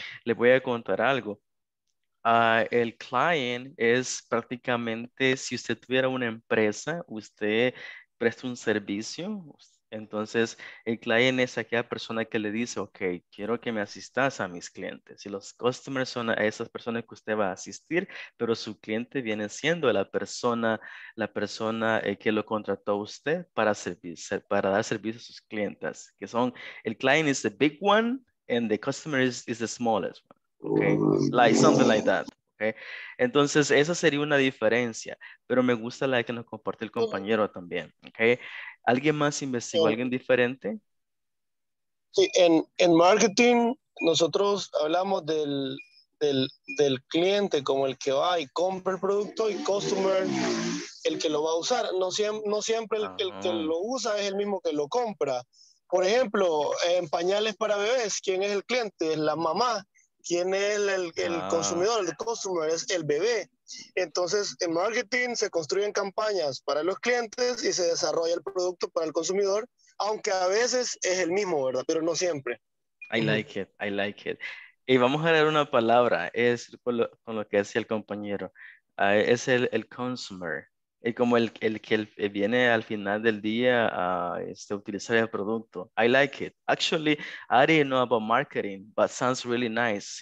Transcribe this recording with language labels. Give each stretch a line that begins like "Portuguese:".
Spanish: Les voy a contar algo. El client es prácticamente, si usted tuviera una empresa, usted presta un servicio, entonces el client es aquella persona que le dice, ok, quiero que me asistas a mis clientes. Y los customers son a esas personas que usted va a asistir, pero su cliente viene siendo la persona que lo contrató a usted para dar servicio a sus clientes. Que son, el
English: client is the big one and the customer is the smallest one. Okay? Like something like that. Okay?
Spanish: Entonces esa sería una diferencia, pero me gusta la que nos comparte el compañero también. Okay? ¿Alguien más investigó? ¿Alguien diferente? Sí, en marketing nosotros hablamos del cliente como el que va y compra el producto y customer el que lo va a usar. No siempre el que lo usa es el mismo que lo compra. Por ejemplo, en pañales para bebés, ¿quién es el cliente? Es la mamá. ¿Quién es el consumidor? El customer es el bebé. Entonces, en marketing se construyen campañas para los clientes y se desarrolla el producto para el consumidor, aunque a veces es el mismo, ¿verdad? Pero no siempre.
English: I like it.
Spanish: Y vamos a leer una palabra, es con lo que decía el compañero. Es el consumer. Y como el que viene al final del día a utilizar el producto.
English: I like it. Actually, I didn't know about marketing, but sounds really nice.